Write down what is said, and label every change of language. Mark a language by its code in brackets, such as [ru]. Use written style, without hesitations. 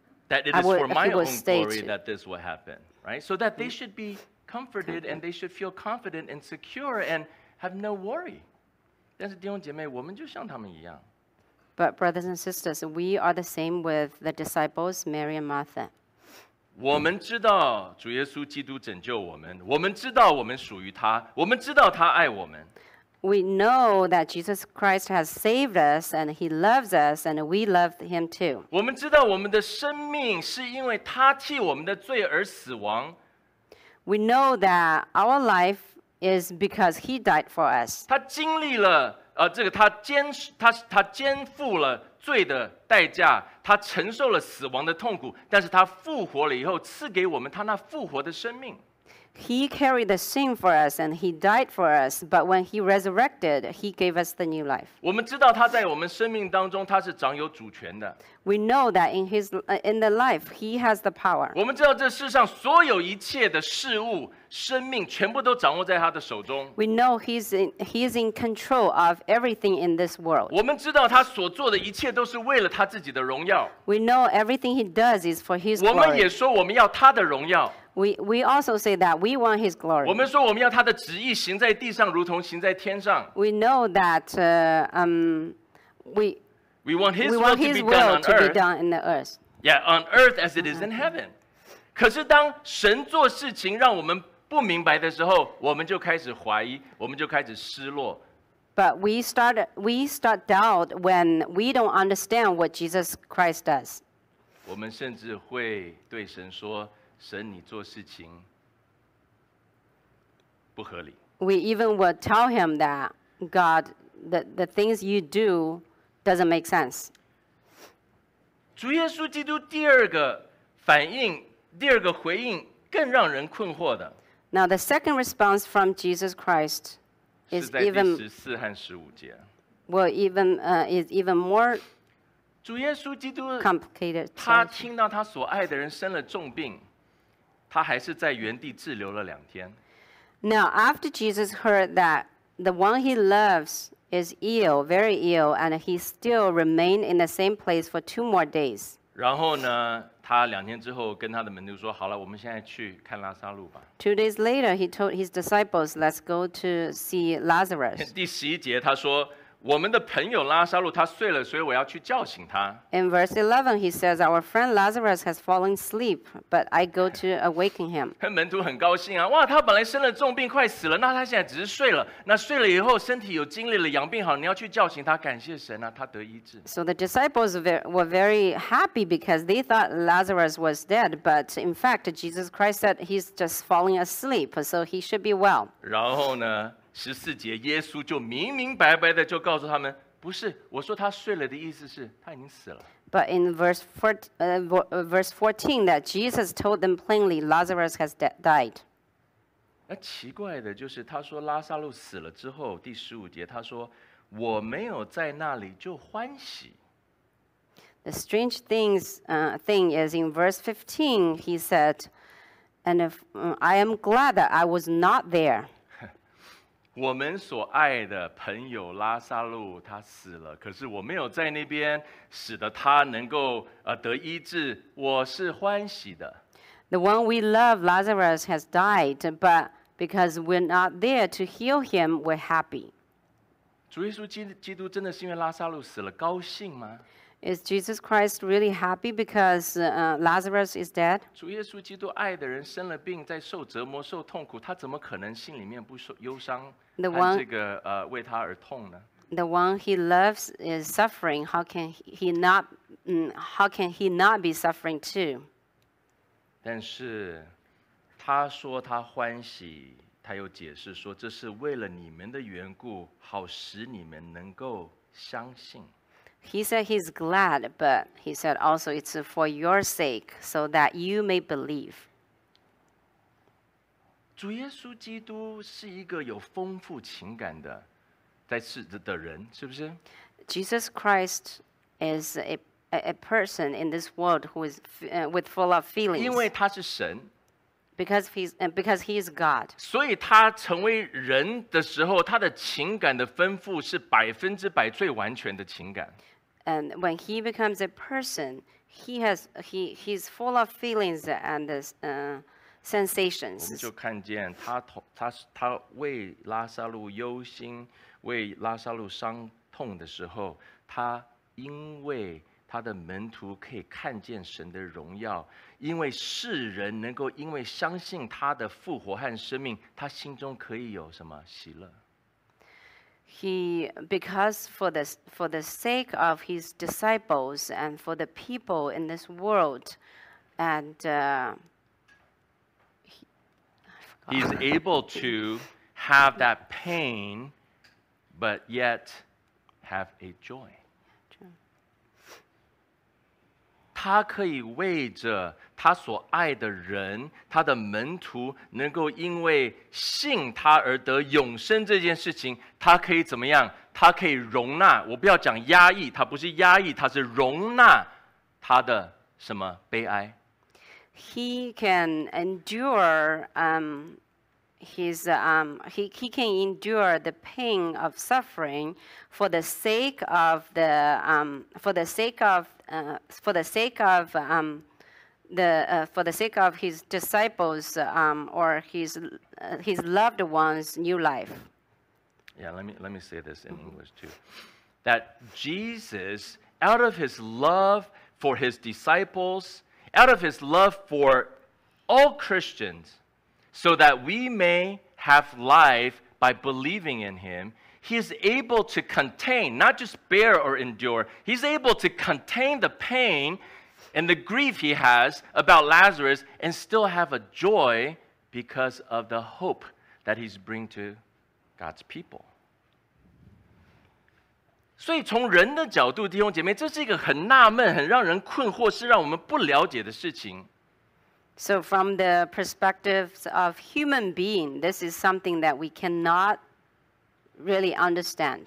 [en] it is for my own glory that this will happen, right? So that they should be comforted and they should feel confident and secure and have no worry. [zh] 但是弟兄姐妹，我们就像他们一样。 [en] But brothers and sisters, we are the same with the disciples Mary and Martha. [zh] 我们知道主耶稣基督拯救我们，我们知道我们属于他，我们知道他爱我们。 [en] We know that Jesus Christ has saved us and he loves us and we love him too. [zh] 我们知道我们的生命是因为他替我们的罪而死亡。 [en] We know that our life is because he died for us. [zh] 他经历了这个他肩负了罪的代价，他承受了死亡的痛苦，但是他复活了以后赐给我们他那复活的生命。 [en] He carried the sin for us and he died for us, but when he resurrected, he gave us the new life. [zh] 我们知道他在我们生命当中他是掌有主权的。 [en] We know that in the life, he has the power. [zh] 我们知道这世上所有一切的事物、生命全部都掌握在他的手中。 [en] We know he is in control of everything in this world. [zh] 我们知道他所做的一切都是为了他自己的荣耀。 [en] We know everything he does is for his glory. [zh] 我们也说我们要他的荣耀。 [en] We also say that we want his glory. [zh] 我们说我们要他的旨意行在地上，如同行在天上。 [en] We know that we want his will to be done on earth. Yeah, on earth as it is in heaven. [zh] 可是当神做事情让我们不明白的时候，我们就开始怀疑，我们就开始失落。 [en] But we start doubt when we don't understand what Jesus Christ does. [zh] 我们甚至会对神说。神，你做事情不合理。 [en] We even would tell him that God, the things you do doesn't make sense. [zh] 主耶稣基督第二个反应，第二个回应更让人困惑的。 [en] Now the second response from Jesus Christ is even [zh] 是在第十四和十五节。 [en] Well, even is even more. [zh] 主耶稣基督 [en] complicated. [zh] 他听到他所爱的人生了重病。他还是在原地滞留了两天。 [en] Now, after Jesus heard that the one he loves is ill, very ill, and he still remained in the same place for two more days. [zh] 然后呢，他两天之后跟他的门徒说：“好了，我们现在去看拉撒路吧。” [en] Two days later, he told his disciples, "Let's go to see Lazarus." [zh] 第十一节他说：“我们的朋友拉撒路他睡了，所以我要去叫醒他。” [en] In verse 11, he says, "Our friend Lazarus has fallen asleep, but I go to awaken him." [zh] 门徒很高兴啊，哇，他本来生了重病，快死了，那他现在只是睡了。那睡了以后，身体有精力了，养病好，你要去叫醒他，感谢神啊，他得医治。 [en] So the disciples were very happy because they thought Lazarus was dead, but in fact, Jesus Christ said he's just falling asleep, so he should be well. [zh] 然后呢？十四节，耶稣就明明白白的就告诉他们，不是，我说他睡了的意思是他已经死了。 [en] But in verse 14, that Jesus told them plainly, Lazarus has died. [zh] 那奇怪的就是，他说拉撒路死了之后，第十五节他说我没有在那里就欢喜。 [en] The strange thing is in verse 15, he said, and if I am glad that I was not there. [zh] 我们所爱的朋友拉撒路他死了，可是我没有在那边，使得他能够得医治，我是欢喜的。 [en] The one we love, Lazarus, has died, but because we're not there to heal him, we're happy. [zh] 主耶稣基督真的是因为拉撒路死了高兴吗？ [en] Is Jesus Christ really happy because Lazarus is dead? [zh] 主耶稣基督爱的人生了病，在受折磨、受痛苦，他怎么可能心里面不受忧伤？ [en] The one, [zh] 这个为他而痛呢 [en] ？The one he loves is suffering. How can he not be suffering too? [zh] 但是他说他欢喜，他又解释说这是为了你们的缘故，好使你们能够相信。 [en] He said he's glad, but he said also it's for your sake, so that you may believe. [zh] 主耶稣基督是一个有丰富情感的，在世的人，是不是？ [en] Jesus Christ is a person in this world who is with full of feelings. [zh] 因为他是神。 [en] Because he is God. [zh] 所以他成为人的时候，他的情感的丰富是百分之百最完全的情感。 [en] And when he becomes a person, he's full of feelings and sensations. [zh] 我们就看见他为拉撒路忧心，为拉撒路伤痛的时候，他因为他的门徒可以看见神的荣耀，因为世人能够因为相信他的复活和生命，他心中可以有什么喜乐。 [en] He, because for the sake of his disciples and for the people in this world, and he's able to have that pain, but yet have a joy. [zh] 他可以为着他所爱的人，他的门徒能够因为信他而得永生这件事情，他可以怎么样？他可以容纳，我不要讲压抑，他不是压抑，他是容纳他的什么悲哀。 [en] He can endure he can endure the pain of suffering for the sake of the his disciples or his loved ones' new life. Yeah, let me say this in English too. That Jesus, out of his love for his disciples, out of his love for all Christians, so that we may have life by believing in him, he is able to contain, not just bear or endure, he's able to contain the pain and the grief he has about Lazarus and still have a joy because of the hope that he's bringing to God's people. [zh] 所以从人的角度，弟兄姐妹，这是一个很纳闷，很让人困惑，是让我们不了解的事情。 [en] So from the perspectives of human being, this is something that we cannot really understand.